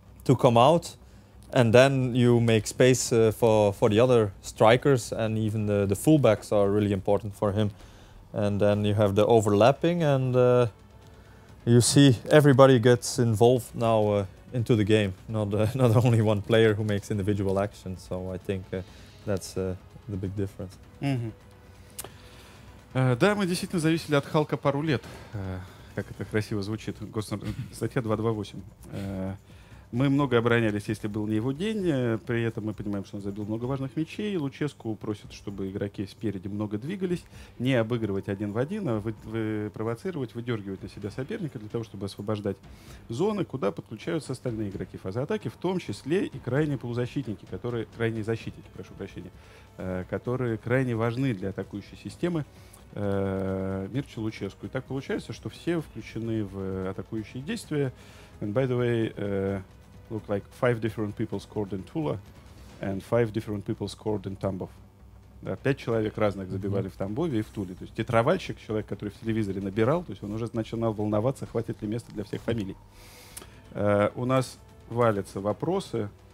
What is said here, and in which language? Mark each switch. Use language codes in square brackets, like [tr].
[en] to come out, and then you make space for the other strikers, and even the fullbacks are really important for him. And then you have the overlapping, and you see everybody gets involved now into the game, not only one player who makes individual action. So I think that's the big difference. [ru] Да, мы действительно зависели от Халка пару лет. Как это красиво звучит. Госнор, статья 228. Мы много оборонялись, если был не его день. При этом мы понимаем, что он забил много важных мячей. Луческу просят, чтобы игроки спереди много двигались. Не обыгрывать один в один, а провоцировать, выдергивать на себя соперника для того, чтобы освобождать зоны, куда подключаются остальные игроки фазы атаки, в том числе и крайние полузащитники, которые, крайние защитники, прошу прощения, которые крайне важны для атакующей системы. Мирча Луческу. И так получается, что все включены в атакующие действия. [en] And by the way, look like five different people scored in Tula and five different people scored in Tambov. [ru] Да, пять человек разных забивали в Тамбове и в Туле. То есть тетровальщик, человек, который в телевизоре набирал, то есть он уже начинал волноваться, хватит ли места для всех фамилий. У нас валятся вопросы.